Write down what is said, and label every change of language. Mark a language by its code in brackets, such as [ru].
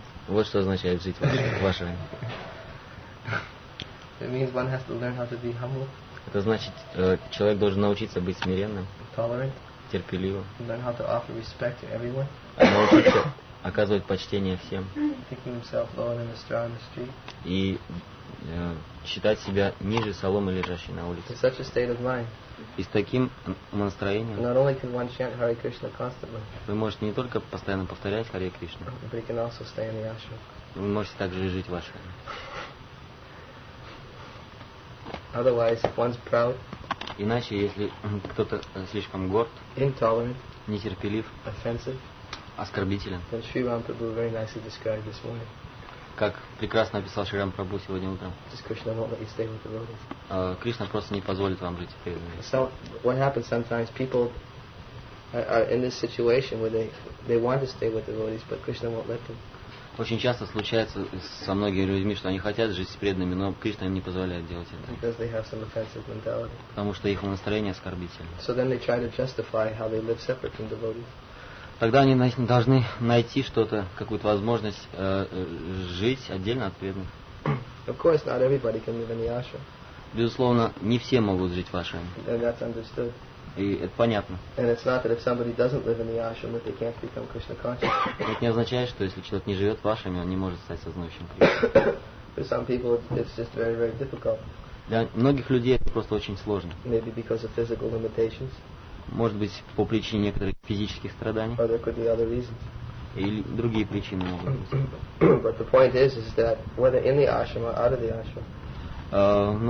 [ru] Вот что означает жить в ашраме. [en] It means one has to learn how to be humble. [ru] Это значит, человек должен научиться быть смиренным, [en] tolerant, [ru] терпеливым, [en] learn how to offer respect to everyone, [ru] научиться оказывать почтение всем, [en] thinking himself low and in the straw in the street, [ru] и считать себя ниже соломы, лежащей на улице. [en] In such a state of mind, [ru] и с таким настроением, [en] not only can one chant Hare Krishna constantly, [ru] вы можете не только постоянно повторять Hare Krishna, [en] but you can also stay in the ashram. [ru] Вы можете также жить в ашраме. [en] Otherwise, if one's proud, [ru] иначе если кто-то слишком горд, [en] intolerant, [ru] нетерпелив, [en] offensive, [ru] оскорбителен, [en] then Sri Rampabhu very nicely described this morning. [ru] Как прекрасно описал Шри Рампрабху сегодня утром. [en] Krishna won't let you stay with the devotees. [ru] Кришна просто не позволит вам жить преданными. [en] So what happens sometimes? People are in this situation where they want to stay with the devotees, but Krishna won't let them. [ru] Очень часто случается со многими людьми, что они хотят жить с преданными, но Кришна им не позволяет делать это. [en] Because they have some offensive mentality. [ru] Потому что их настроение оскорбительное. [en] So then they try to justify how they live separate from devotees. [ru] Тогда они должны найти что-то, какую-то возможность жить отдельно от преданных. [en] Of course, not everybody can live in the ashram. [ru] Безусловно, не все могут жить в ашраме. [en] And that's understood. [ru] И это понятно. [en] And it's not that if somebody doesn't live in the ashram that they can't become Krishna conscious. [ru] Это не означает, что если человек не живет в ашраме, он не может стать сознающим Кришной. [en] For some people it's just very, very difficult. [ru] Для многих людей это просто очень сложно. [en] Maybe because of physical limitations. [ru] Может быть, по причине некоторых физических страданий. [en] Or there could be other reasons. [ru] Или другие причины могут быть. [en] But the point is that whether in the ashram or out of the ashram.